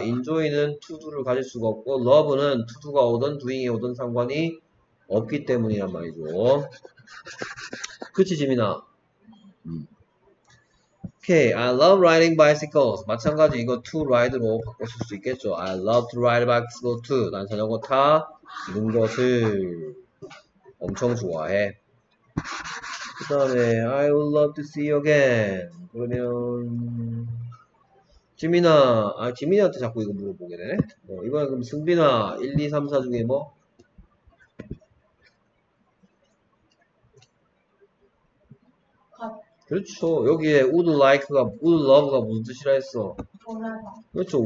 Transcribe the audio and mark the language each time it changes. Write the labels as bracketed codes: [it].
[ko] enjoy는 to do를 가질 수가 없고 love는 to do가 오든 doing이 오든 상관이 없기 때문이란 말이죠. 그치, 지민아? [en] 오케이, okay, I love riding bicycles. [ko] 마찬가지 이거 to ride로 바꿔 쓸수 있겠죠. [en] I love to ride bicycle too. [ko] 난 자전거 타 이런 것을 엄청 좋아해. [en] 그다음에 I would love to see you again. [ko] 그러면 지민아한테 자꾸 이거 물어보게 되네. 이번에 그럼 승빈아 1, 2, 3, 4 중에 뭐? 그렇죠. 여기에 would like가, would love가 무슨 뜻이라 했어? 그렇죠.